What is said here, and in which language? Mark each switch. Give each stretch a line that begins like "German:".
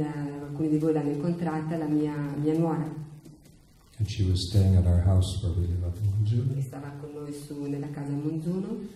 Italian: Alcuni di voi l'hanno incontrata, la mia nuora.
English: And she was staying at our house where we live up in Monzuno.
Italian: E stava con noi su nella casa a Monzuno.